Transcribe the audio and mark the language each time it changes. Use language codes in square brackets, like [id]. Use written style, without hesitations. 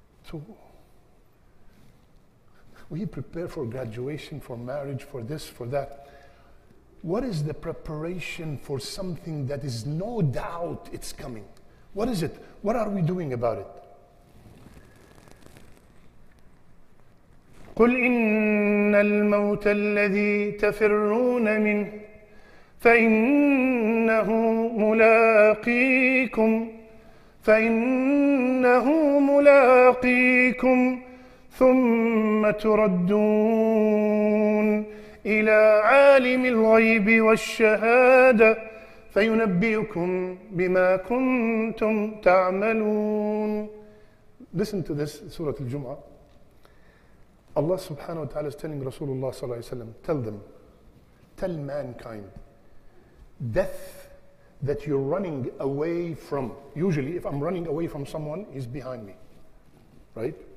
[en] So we prepare for graduation, for marriage, for this, for that. What is the preparation for something that is no doubt it's coming? What is it? What are we doing about it? [ar] قل إن الموت الذي تفرون منه فإنه ملاقيكم فإنه ملاقيكم ثم تردون إلى عالم الغيب والشهادة فينبئكم بما كنتم تعملون [en] Listen to this, سورة الجمعة. Allah subhanahu wa ta'ala is telling Rasulullah sallallahu alayhi wa sallam, tell them, tell mankind, death that you're running away from, usually if I'm running away from someone, he's behind me, right?